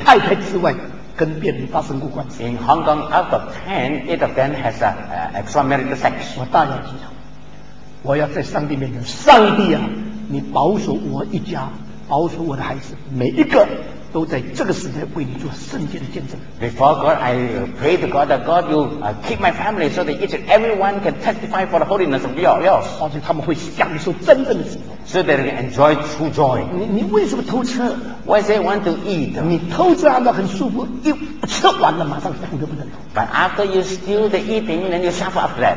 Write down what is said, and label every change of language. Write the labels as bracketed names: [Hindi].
[Chinese] 香港人10个人里面有8个人在太太之外跟别人发生过关系。 [English] In Hong Kong, out of 10, 8 of them has extramarital sex. [Chinese] 我大言不惭，我要在上帝面前， 上帝啊， 你保守我一家， 保守我的孩子， 每一个 都在这个时代为你做圣洁的见证。 [English] Before God, I pray to God that God will keep my family so that each and everyone can testify for the holiness of yours. [Chinese] 而且他们会享受真正的幸福。 [English] So that they can enjoy true joy. [Chinese] 你为什么偷吃？ [English] Why say want to eat? [Chinese] 你偷吃按照很舒服， 一吃完了马上苦得不能吐。 [English] But after you steal the eating, then you suffer after that.